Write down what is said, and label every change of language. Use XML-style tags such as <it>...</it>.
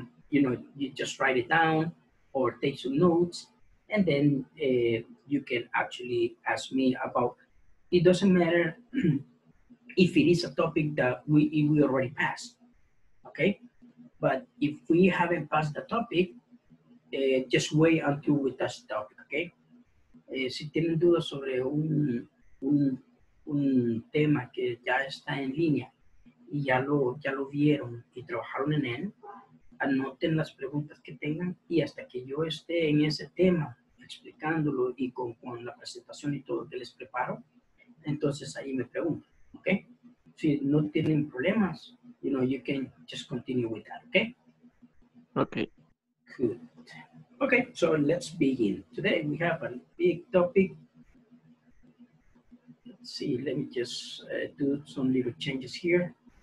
<en>You know, you just write it down or take some notes, and then you can actually ask me about, it doesn't matter if it is a topic that we already passed, okay? But if we haven't passed the topic, just wait until we touch the topic, okay?</en> <es>Si tienen dudas sobre un tema que ya está en línea y ya lo vieron y trabajaron en él, anoten las preguntas que tengan y hasta que yo esté en ese tema explicándolo y con la presentación y todo que les preparo, entonces ahí me preguntan, okay? Si no tienen problemas,</es> <en>you know, you can just continue with that, okay? Okay. Good. Okay, so let's begin. Today we have a big topic. Let's see, let me just do some little changes here.</en>